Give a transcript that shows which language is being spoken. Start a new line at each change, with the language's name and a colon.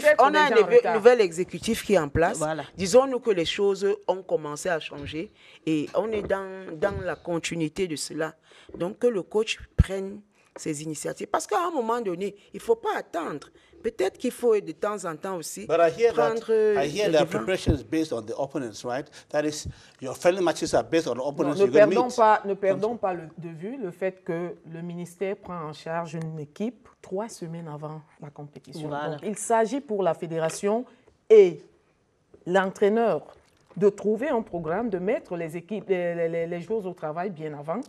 French: On a un nouvel exécutif qui est en place. Voilà. Disons-nous que les choses ont commencé à changer et on est dans la continuité de cela. Donc, que le coach prenne ses initiatives. Parce qu'à un moment donné, il ne faut pas attendre. Peut-être qu'il faut de temps en temps aussi prendre.
English: But I hear that preparation is based on the opponents, right? That is, your friendly matches are based on the opponents.
French: Ne perdons pas de vue le fait que le ministère prend en charge une équipe 3 semaines avant la compétition. Voilà. Donc, il s'agit pour la fédération et l'entraîneur de trouver un programme, de mettre les équipes, les joueurs au travail bien avant,